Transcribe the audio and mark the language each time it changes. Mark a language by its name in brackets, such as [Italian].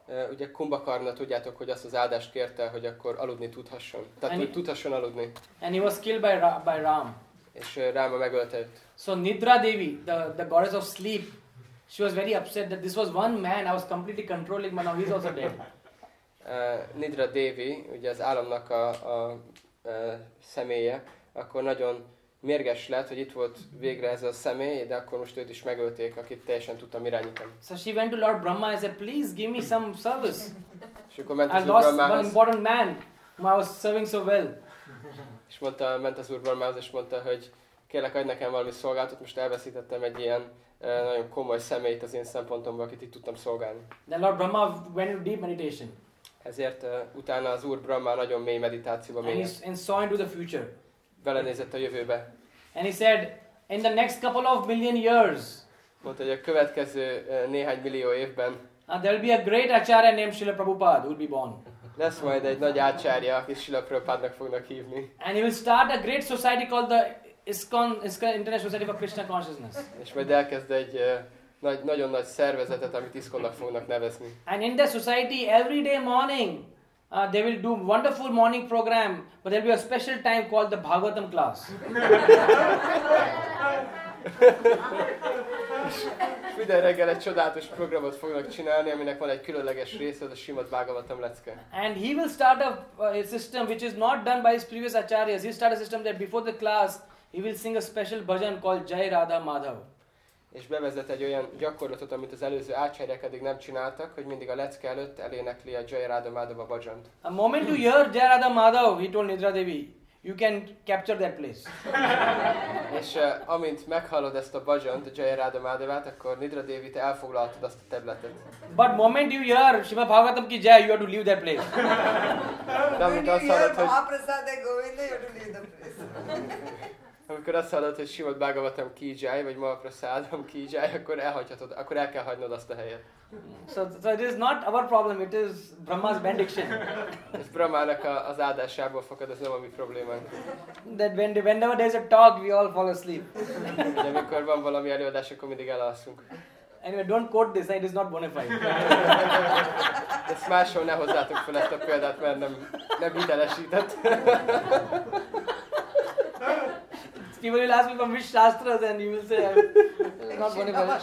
[Hungarian] Ugye Kumbhakarna, tudjátok, hogy azt az áldást kérte, hogy akkor aludni tudhasson. Tehát tudhasson aludni. [English] And he was killed by Ram. [Hungarian] És Rama megölte. [English] So Nidra Devi, the goddess of sleep, she was very upset that this was one man I was completely controlling, but now he's also dead. [Hungarian] Nidra Devi, ugye az álomnak a személye, akkor nagyon mérges lett, hogy itt volt végre ez a személy, de akkor most őt is megölték, akit teljesen tudtam irányítani. [English] So she went to Lord Brahma and said, please give me some service. [Hungarian] És akkor ment az Úr Brahmához. [English] I lost one important man, whom I was serving so well. [Hungarian] És mondta, ment az Úr Brahmához, és mondta, hogy kérlek, adj nekem valami szolgálatot, most elveszítettem egy ilyen nagyon komoly személyt az én szempontomban, akit itt tudtam szolgálni. [English] Then Lord Brahma went into deep meditation. [Hungarian] Ezért utána az Úr Brahma nagyon mély meditációba mélyedett. [English] And saw into the future. [Hungarian] Belenézett a jövőbe. [English] And he said, in the next couple of million years. [Hungarian] Mondta, hogy a következő néhány millió évben. [English] There will be a great acharya named Srila Prabhupada will be born. [Hungarian] Lesz majd egy nagy acharya, akit Srila Prabhupadnak fognak hívni. [English] And he will start a great society called the ISKCON International Society for Krishna Consciousness. [Hungarian] És majd elkezd egy nagyon nagy szervezetet, amit ISKCON-nak fognak nevezni. [English] And in the society, every day morning. They will do wonderful morning program, but there will be a special time called the Bhagavatam class. [Hungarian] És minden reggel egy csodálatos programot fognak csinálni, aminek van egy különleges része, az a Srimad Bhagavatam lecke. [English] And he will start a system which is not done by his previous acharyas. He will start a system that before the class, he will sing a special bhajan called Jai Radha Madhav. [Hungarian] És bevezet egy olyan gyakorlatot, amit az előző ácsárják eddig nem csináltak, hogy mindig a lecke előtt elénekli a Jai Radha Madhava bhajant. [English] A moment you hear Jai Radha Madhava, he told Nidra Devi, you can capture that place. [Hungarian] És amint meghallod ezt a bhajant, a Jai Radha Madhavát, akkor Nidra Devi, te elfoglaltad azt a területet. [English] But moment you hear Srimad Bhagavatam ki Jai, you have to leave that place. [Hungarian] De amint azt hallod, hogy [English] Mahaprasad de Govinda, you have to leave the place. [Hungarian] Amikor azt hallod, hogy Srimad Bhagavatam ki jai, vagy Mahaprasadam ki jai, akkor elhagyhatod, akkor el kell hagynod azt a helyet. [English] So it is not our problem, it is Brahma's benediction. [Hungarian] Ez Brahmának az áldásából fakad, ez nem a mi problémánk. [English] That whenever there is a talk, we all fall asleep. [Hungarian] De amikor van valami előadás, akkor mindig elalszunk. [English] Anyway, don't quote this, it is not bona fide. [Hungarian] De ezt máshol ne hozzátok fel ezt a példát, mert nem hitelesített. [English] People will ask me from which shastras and you will say, not one of them.